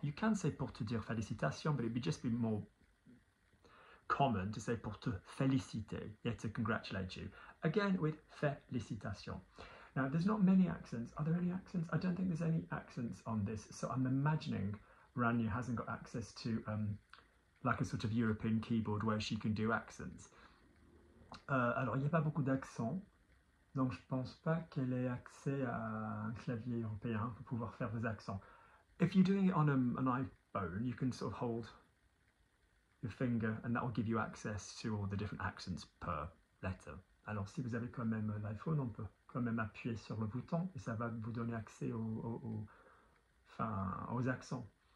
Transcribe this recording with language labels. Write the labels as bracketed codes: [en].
[en] You can say [fr] pour te dire félicitations, [en] but it would just be more common to say [fr] pour te féliciter, [en] yeah, to congratulate you. Again, with félicitations. Now, there's not many accents. Are there any accents? I don't think there's any accents on this. So I'm imagining Rania hasn't got access to, like a sort of European keyboard where she can do accents. [fr] Alors, il n'y a pas beaucoup d'accents, donc je ne pense pas qu'elle ait accès à un clavier européen pour pouvoir faire des accents. [en] If you're doing it on an iPhone, you can sort of hold your finger and that will give you access to all the different accents per letter. [fr] Alors, si vous avez quand même l'iPhone, on peut quand même appuyer sur le bouton et ça va vous donner accès aux accents.